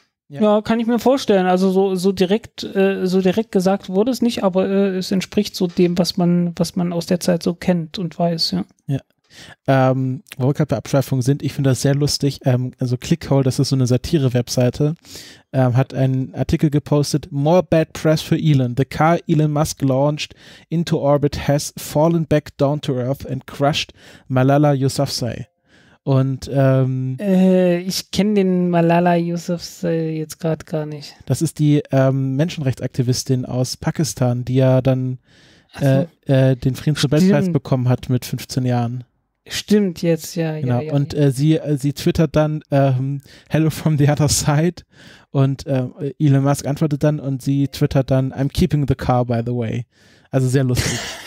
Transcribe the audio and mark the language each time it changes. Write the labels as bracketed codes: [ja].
[de] Ja, kann ich mir vorstellen. Also so direkt gesagt wurde es nicht, aber es entspricht so dem, was man aus der Zeit so kennt und weiß. Ja. Ja. Wo wir gerade bei Abschweifungen sind, ich finde das sehr lustig. Also Clickhole, das ist so eine Satire-Webseite, hat einen Artikel gepostet: [en] More bad press for Elon. The car Elon Musk launched into orbit has fallen back down to earth and crushed Malala Yousafzai. [de] Und ich kenne den Malala Yousafzai jetzt gerade gar nicht. Das ist die Menschenrechtsaktivistin aus Pakistan, die ja dann den Friedensnobelpreis bekommen hat mit 15 Jahren. Stimmt jetzt, ja. Genau. Ja, ja. Und sie twittert dann [en] Hello from the other side, [de] und Elon Musk antwortet dann, und sie twittert dann [en] I'm keeping the car, by the way. [de] Also sehr lustig.